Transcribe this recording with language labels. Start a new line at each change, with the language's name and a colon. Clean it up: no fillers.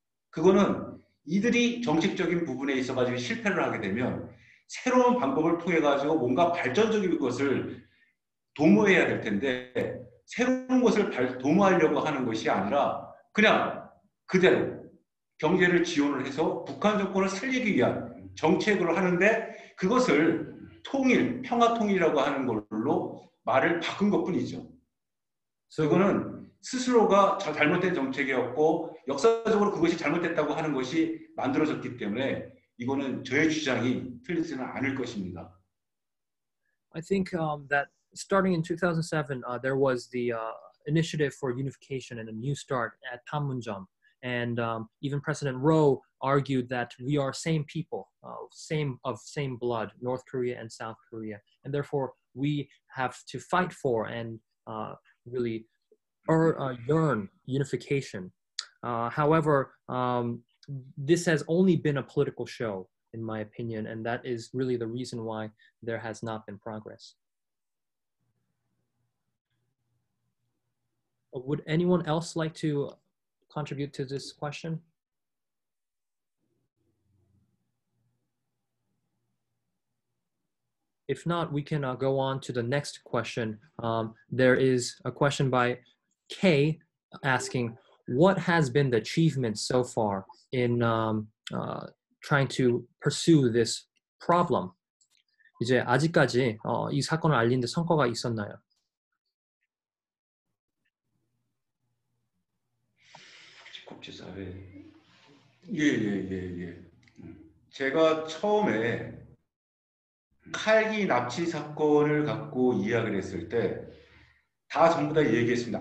Korean: 그거는 이들이 정책적인 부분에 있어가지고 실패를 하게 되면 새로운 방법을 통해가지고 뭔가 발전적인 것을 도모해야 될 텐데 새로운 것을 도모하려고 하는 것이 아니라 그냥 그대로 경제를 지원을 해서 북한 정권을 살리기 위한 정책으로 하는데 그것을 통일, 평화통일이라고 하는 걸로 말을 바꾼 것뿐이죠. 그거는 스스로가 잘못된 정책이었고 역사적으로 그것이 잘못됐다고 하는 것이 만들어졌기 때문에 이거는 저의 주장이 틀리지는 않을 것입니다.
English: I think that starting in 2007, there was the initiative for unification and a new start at Panmunjom. And even President Roh argued that we are same people, same blood, North Korea and South Korea. And therefore, we have to fight for and really yearn unification. However, this has only been a political show, in my opinion. And that is really the reason why there has not been progress. Would anyone else like to contribute to this question? If not, we can go on to the next question. There is a question by Kay asking, what has been the achievement so far in trying to pursue this problem?
Korean: 이제 아직까지 이 사건을 알린 데 성과가 있었나요? 국제사회. 예. 제가 처음에 칼기 납치 사건을 갖고 이야기를 했을 때 다 전부 다 얘기했습니다.